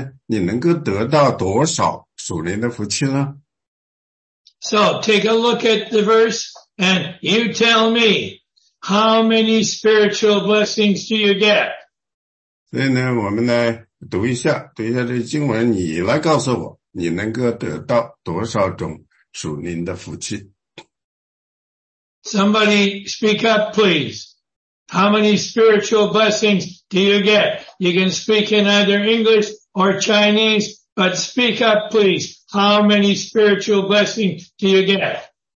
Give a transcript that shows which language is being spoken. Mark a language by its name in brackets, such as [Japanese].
[Chinese] 因为在我们学习以弗所书的时候呢,使徒保罗他会指出好几种属灵的福气。现在问题是呢,你能够得到多少属灵的福气呢? [English] So, take a look at the verse, and you tell me, how many spiritual blessings do you get? [Chinese] 所以呢,我们来读一下,读一下这经文,你来告诉我,你能够得到多少种属灵的福气。 [English] Somebody speak up, please. How many spiritual blessings do you get? You can speak in either English or Chinese, but speak up, please. How many spiritual blessings do you get?